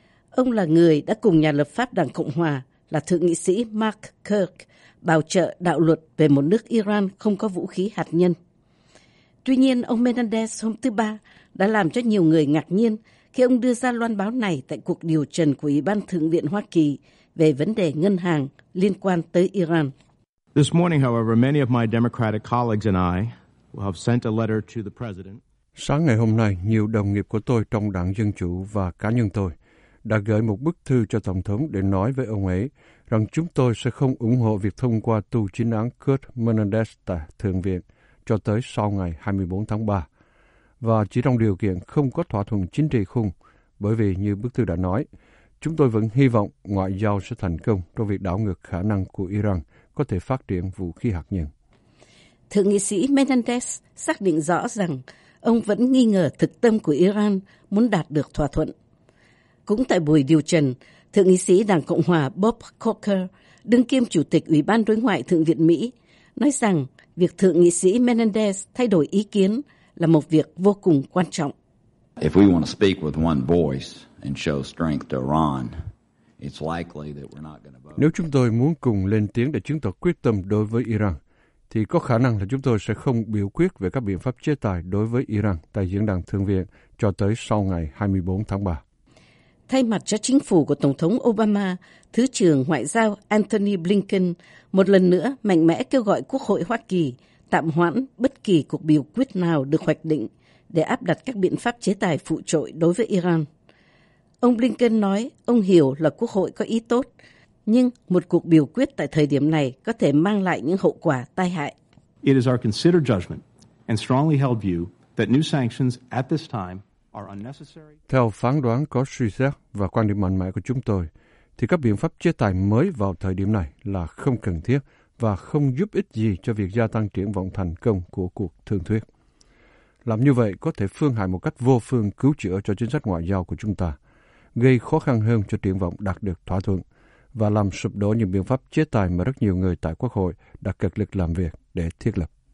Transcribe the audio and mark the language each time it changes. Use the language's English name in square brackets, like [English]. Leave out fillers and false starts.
[Vietnamese] Ông là người đã cùng nhà lập pháp Đảng Cộng Hòa là Thượng nghị sĩ Mark Kirk bảo trợ đạo luật về một nước Iran không có vũ khí hạt nhân. Tuy nhiên, ông Menendez hôm thứ Ba đã làm cho nhiều người ngạc nhiên khi ông đưa ra loan báo này tại cuộc điều trần của Ủy ban Thượng viện Hoa Kỳ về vấn đề ngân hàng liên quan tới Iran. [English] This morning, however, many of my Democratic colleagues and I will have sent a letter to the President. [Vietnamese] Sáng ngày hôm nay, nhiều đồng nghiệp của tôi trong Đảng Dân Chủ và cá nhân tôi đã gửi một bức thư cho Tổng thống để nói với ông ấy rằng chúng tôi sẽ không ủng hộ việc thông qua tu chính án Kurt Menendez tại Thượng viện cho tới sau ngày 24 tháng 3, và chỉ trong điều kiện không có thỏa thuận chính trị khung, bởi vì như bức thư đã nói, chúng tôi vẫn hy vọng ngoại giao sẽ thành công trong việc đảo ngược khả năng của Iran có thể phát triển vũ khí hạt nhân. Thượng nghị sĩ Menendez xác định rõ rằng ông vẫn nghi ngờ thực tâm của Iran muốn đạt được thỏa thuận. Cũng tại buổi điều trần, Thượng nghị sĩ Đảng Cộng hòa Bob Corker, đương kim Chủ tịch Ủy ban Đối ngoại Thượng viện Mỹ, nói rằng việc Thượng nghị sĩ Menendez thay đổi ý kiến là một việc vô cùng quan trọng. [English] If we want to speak with one voice, and show strength to Iran, it's likely that we're not going to vote. [Vietnamese] Nếu chúng tôi muốn cùng lên tiếng để chứng tỏ quyết tâm đối với Iran, thì có khả năng là chúng tôi sẽ không biểu quyết về các biện pháp chế tài đối với Iran tại Diễn đàn Thượng viện cho tới sau ngày 24 tháng 3. Thay mặt cho chính phủ của Tổng thống Obama, Thứ trưởng Ngoại giao Antony Blinken một lần nữa mạnh mẽ kêu gọi Quốc hội Hoa Kỳ tạm hoãn bất kỳ cuộc biểu quyết nào được hoạch định để áp đặt các biện pháp chế tài phụ trội đối với Iran. Ông Blinken nói ông hiểu là Quốc hội có ý tốt, nhưng một cuộc biểu quyết tại thời điểm này có thể mang lại những hậu quả tai hại. [English] It is our considered judgment and strongly held view that new sanctions at this time are unnecessary. [Vietnamese] Theo phán đoán có suy xét và quan điểm mạnh mẽ của chúng tôi, thì các biện pháp chế tài mới vào thời điểm này là không cần thiết và không giúp ích gì cho việc gia tăng triển vọng thành công của cuộc thương thuyết. Làm như vậy có thể phương hại một cách vô phương cứu chữa cho chính sách ngoại giao của chúng ta, gây khó khăn hơn cho triển vọng đạt được thỏa thuận và làm sụp đổ những biện pháp chế tài mà rất nhiều người tại Quốc hội đã cực lực làm việc để thiết lập.